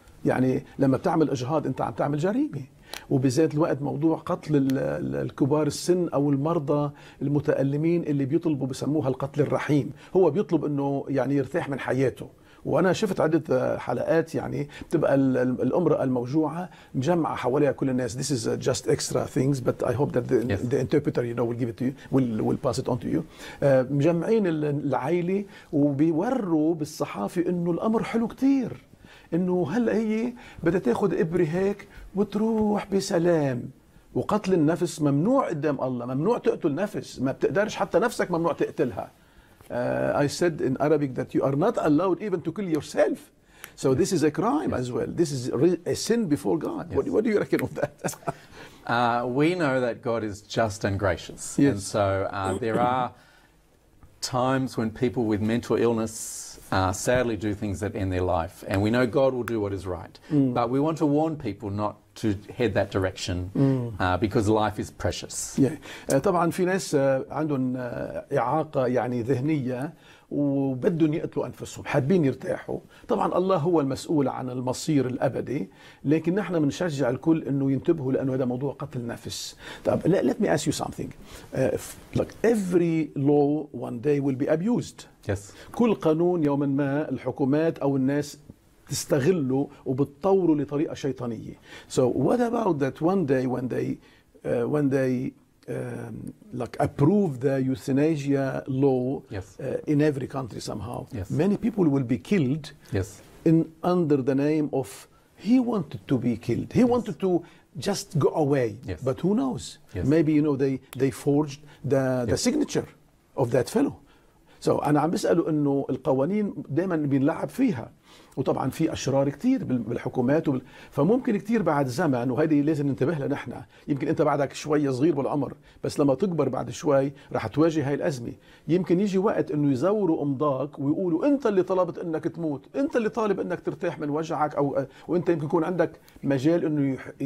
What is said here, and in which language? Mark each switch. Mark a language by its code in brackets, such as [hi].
[ar] يعني لما بتعمل إجهاض أنت عم تعمل جريمة، وبذات الوقت موضوع قتل الكبار السن أو المرضى المتألمين اللي بيطلبوا بسموها القتل الرحيم، هو بيطلب أنه يعني يرتاح من حياته. وأنا شفت عدة حلقات يعني بتبقى الأمرأة الموجوعة مجمعة حواليها كل الناس. [en] This is just extra things, but I hope that the interpreter, you know, will give it to you, will pass it on to you. [ar] مجمعين العائلة وبيوروا بالصحافة إنه الأمر حلو كتير، إنه هلأ هي بدها تاخد إبرة هيك وتروح بسلام. وقتل النفس ممنوع قدام الله، ممنوع تقتل نفس، ما بتقدرش، حتى نفسك ممنوع تقتلها. [en] I said in Arabic that you are not allowed even to kill yourself. So yes. this is a crime yes. as well. This is a sin before God. Yes. What do you reckon of that? We know that God is just and gracious. Yes. And so there are times when people with mental illness sadly do things that end their life. And we know God will do what is right. Mm. But we want to warn people not to head that direction because life is precious. Yeah. [ar] طبعا في ناس عندهم إعاقة يعني ذهنية وبدهم يقتلوا أنفسهم، حابين يرتاحوا. طبعا الله هو المسؤول عن المصير الأبدي، لكن نحن بنشجع الكل أنه ينتبهوا لأنه هذا موضوع قتل نفس. [en] طب let me ask you something. Look, every law one day will be abused. Yes. [ar] كل قانون يوما ما الحكومات أو الناس تستغله وبتطوره لطريقة شيطانية. [en] So what about that one day when they like approve the euthanasia law in every country somehow, many people will be killed in under the name of he wanted to be killed. He wanted to just go away. Yes. But who knows? Maybe, you know, they forged the the signature of that fellow. [ar] So أنا عم بسأله إنه القوانين دائما بنلعب فيها. وطبعا في اشرار كثير بالحكومات فممكن كثير بعد زمن وهذه لازم ننتبه لها نحن يمكن انت بعدك شوي صغير بالعمر بس لما تكبر بعد شوي راح تواجه هاي الازمه يمكن يجي وقت انه يزوروا امضاك ويقولوا انت اللي طلبت انك تموت انت اللي طالب انك ترتاح من وجعك او وانت يمكن يكون عندك مجال انه